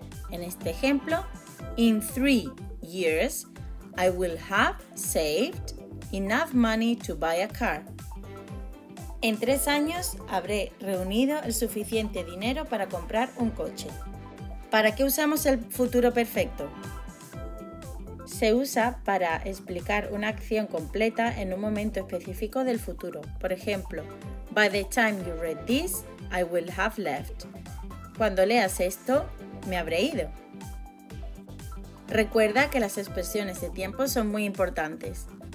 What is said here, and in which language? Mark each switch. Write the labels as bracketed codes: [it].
[es] En este ejemplo, [en] in 3 years, I will have saved enough money to buy a car. [es] En 3 años, habré reunido el suficiente dinero para comprar un coche. ¿Para qué usamos el futuro perfecto? Se usa para explicar una acción completa en un momento específico del futuro. Por ejemplo, [en] by the time you read this, I will have left. [es] Cuando leas esto, me habré ido. Recuerda que las expresiones de tiempo son muy importantes.